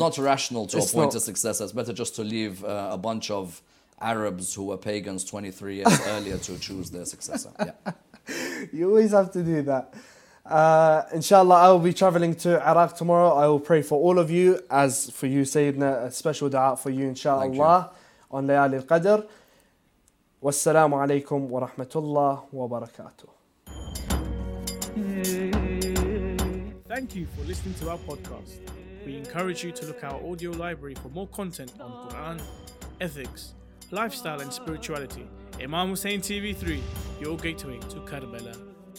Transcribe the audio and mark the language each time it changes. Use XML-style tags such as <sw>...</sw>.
<en>Not rational to it's appoint not. A successor. It's better just to leave a bunch of Arabs who were pagans 23 years earlier to choose their successor. Yeah. You always have to do that. Inshallah, I will be traveling to Iraq tomorrow. I will pray for all of you. As for you, Sayyidina, a special dua for you, inshallah, you. On Layali al-Qadr.</en> <ar>والسلام عليكم ورحمة الله وبركاته.</ar> <en>Thank you for listening to our podcast. We encourage you to look at our audio library for more content on Quran, ethics, lifestyle and spirituality. Imam Hussein TV 3, your gateway to Karbala.</en>